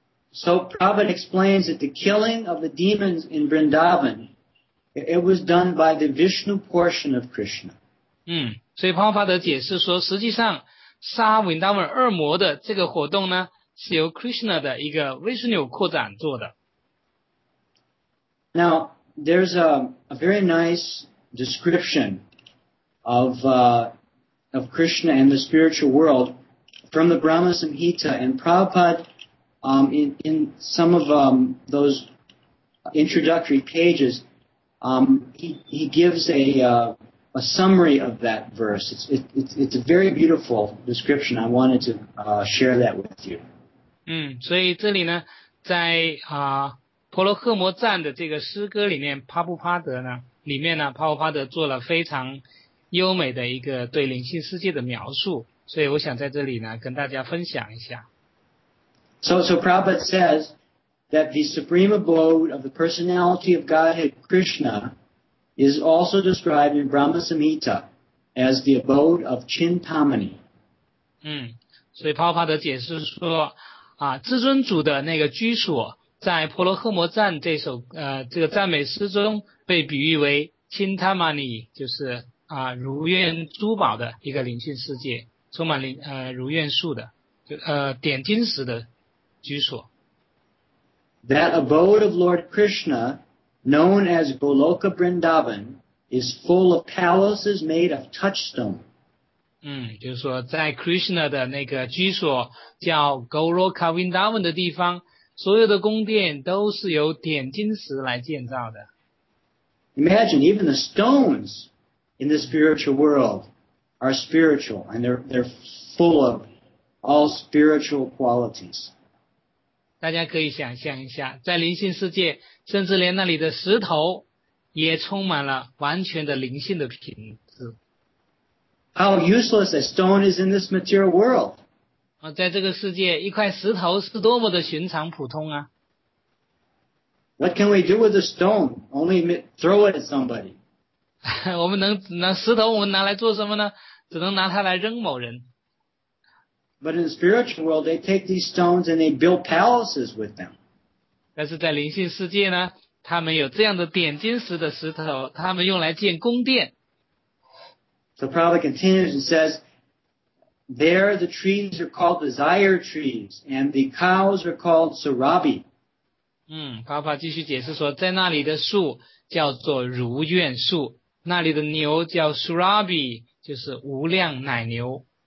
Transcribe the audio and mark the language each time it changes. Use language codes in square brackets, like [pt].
[en] So Prabhupada explains that the killing of the demons in Vrindavan, it was done by the Vishnu portion of Krishna. [zh] 所以 Prabhupada 解释说，实际上杀 Vrindavan 恶魔的这个活动呢，是由 Krishna 的一个 Vishnu 扩展做的。 [en] Now there's a very nice description of Krishna and the spiritual world from the Brahma Samhita, and Prabhupada in some of those introductory pages he gives a summary of that verse. It's a very beautiful description. I wanted to share that with you. [zh] 所以这里呢，在婆罗诃摩赞的这个诗歌里面，帕布帕德呢，里面呢，帕布帕德做了非常优美的一个对灵性世界的描述，所以我想在这里呢跟大家分享一下。 [en] So Prabhupada says that the supreme abode of the personality of Godhead Krishna is also described in Brahma Samhita as the abode of Chintamani. [zh] 所以 Prabhupada 解释说啊，至尊主的那个居所在婆罗诃摩赞这首这个赞美诗中被比喻为 Chintamani， 就是啊如愿珠宝的一个灵性世界，充满如愿树的点金石的居所。 [en] That abode of Lord Krishna, known as Goloka Vrindavan, is full of palaces made of touchstone. [zh] 就是说在 Krishna 的那个居所叫 Goloka Vrindavan 的地方，所有的宫殿都是由点金石来建造的。 [en] Imagine, even the stones in the spiritual world are spiritual, and they're full of all spiritual qualities. [zh] 大家可以想象一下，在灵性世界，甚至连那里的石头也充满了完全的灵性的品质。 [en] How useless a stone is in this material world. [zh] 在这个世界，一块石头是多么的寻常普通啊。 [en] What can we do with a stone? Only throw it at somebody. [zh] 我们能拿石头，我们拿来做什么呢？只能拿它来扔某人。 [en] But in the spiritual world, they take these stones and they build palaces with them. [zh] 但是在灵性世界呢，他们有这样的点金石的石头，他们用来建宫殿。 [en] The Prabhupada continues and says, there the trees are called desire trees, and the cows are called sarabi. [zh] Prabhupada 继续解释说，在那里的树叫做如愿树，那里的牛叫 sarabi， 就是无量奶牛。